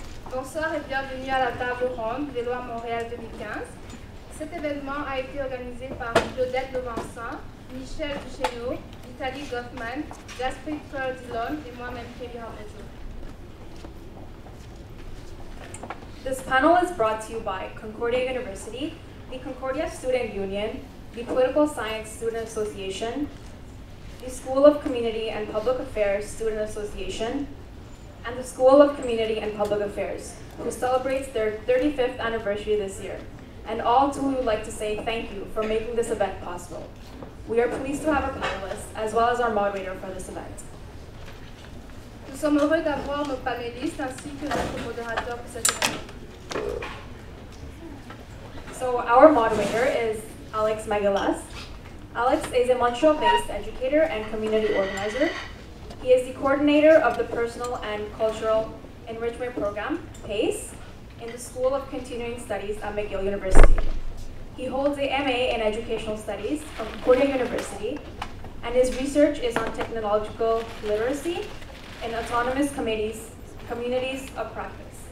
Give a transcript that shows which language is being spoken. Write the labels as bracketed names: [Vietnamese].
[French] Bonsoir et bienvenue à la table ronde Vélo à Montréal 2015. Cet événement a été organisé par Claudette Levancin, Michel Duchesneau, Vitaly Goffman, Gaspard Cordillon et moi-même Kabira Mojo. [English] This panel is brought to you by Concordia University, the Concordia Student Union, the Political Science Student Association, the School of Community and Public Affairs Student Association, and the School of Community and Public Affairs, who celebrates their 35th anniversary this year. And all to whom we would like to say thank you for making this event possible. We are pleased to have a panelist as well as our moderator for this event. [French] Nous sommes heureux d'avoir nos panélistes ainsi que notre modérateur pour cette événement. [English] So our moderator is Alex Magalas. Alex is a Montreal-based educator and community organizer. He is the coordinator of the Personal and Cultural Enrichment Program, PACE, in the School of Continuing Studies at McGill University. He holds a MA in Educational Studies from Concordia University, and his research is on technological literacy in autonomous communities of practice.